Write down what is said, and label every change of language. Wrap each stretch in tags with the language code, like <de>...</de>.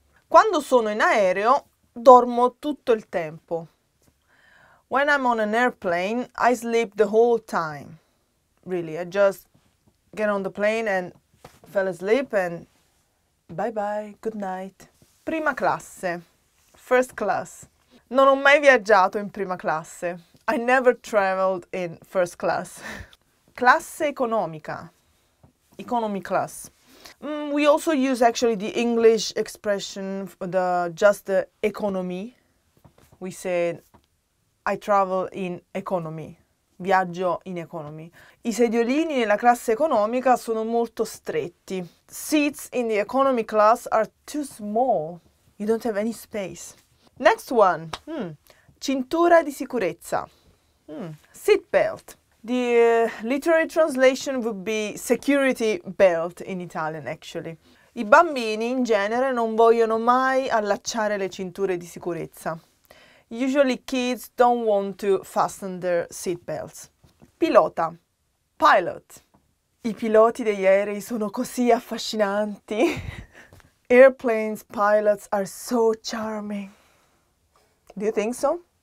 <it>Quando sono in aereo, dormo tutto il tempo.</it> <en>When I'm on an airplane, I sleep the whole time. Really, I just get on the plane and fell asleep and bye bye, good night.</en> <it>Prima classe.</it> <en>First class.</en> <it>Non ho mai viaggiato in prima classe.</it> <en>I never traveled in first class.</en> <it>Classe economica.</it> <en>Economy class. We also use actually the English expression for the economy. We say I travel in economy.</en> <it>Viaggio in economy. I sediolini nella classe economica sono molto stretti.</it> <en>Seats in the economy class are too small. You don't have any space. Next one.</en> <it>Cintura di sicurezza.</it> <en>Seat belt. The literary translation would be security belt in Italian, actually.</en> <it>I bambini, in genere, non vogliono mai allacciare le cinture di sicurezza.</it> <en>Usually kids don't want to fasten their seat belts.</en> <it>Pilota. Pilot. I piloti degli aerei sono così affascinanti.</it> <en>Airplanes pilots are so charming. Do you think so?</en>